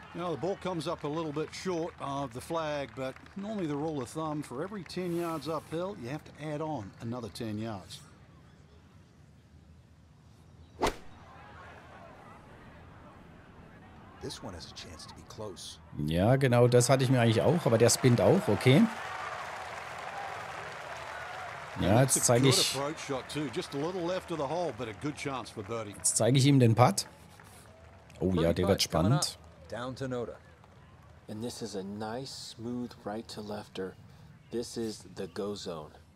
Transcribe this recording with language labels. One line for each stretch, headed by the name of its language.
English: Now the ball comes up a little bit short of the flag, but normally the rule of thumb for every 10 yards uphill, you have to add on another 10 yards. This one has a chance to be close.
German: Ja, genau, das hatte ich mir eigentlich auch, aber der spinnt auch, okay. Ja, jetzt zeige ich.
English: Just a little left of the hole, but a good chance for birdie.
German: Jetzt zeige ich ihm den Putt. Oh ja, der wird spannend.
English: Down to Noda. And this is a nice smooth right to lefter. This is the go zone.